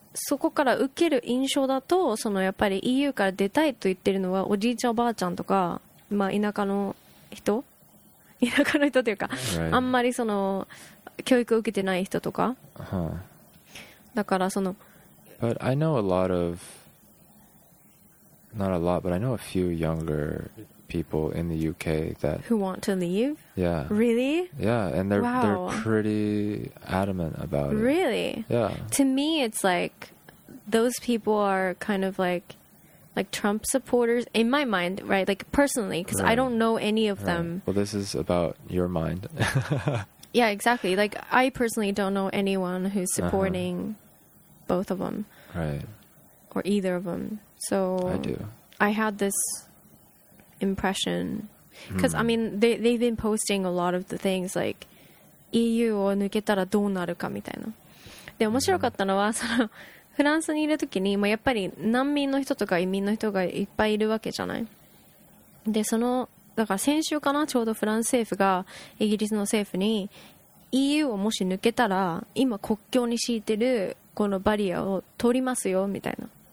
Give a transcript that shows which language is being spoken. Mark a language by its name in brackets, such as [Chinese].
[Japanese] そこから受ける印象だと、そのやっぱり EU から出たいと言ってるのはおじいちゃんおばあちゃんとか、まあ、田舎の人というか、 [English] right. [Japanese] あんまりその教育を受けてない人とか、だからその [English] But I know a lot of not a lot, but I know a few younger people in the UK that who want to leave? Yeah. Really? Yeah, and they're pretty adamant about it. Really? Yeah. To me, it's like those people are kind of like Trump supporters in my mind, right? Like personally, because I don't know any of them. Well, this is about your mind. Yeah, exactly. Like I personally don't know anyone who's supporting both of them. Right. Or either of them. So I do. I had this impression because I mean they've been posting a lot of the things like EU [Japanese] を抜けたらどうなるかみたいな。で面白かったのはそのフランスにいるときにもやっぱり難民の人とか移民の人がいっぱいいるわけじゃない。でそのだから先週かな、ちょうどフランス政府がイギリスの政府に EU をもし抜けたら今国境に敷いてるこのバリアを取りますよみたいな。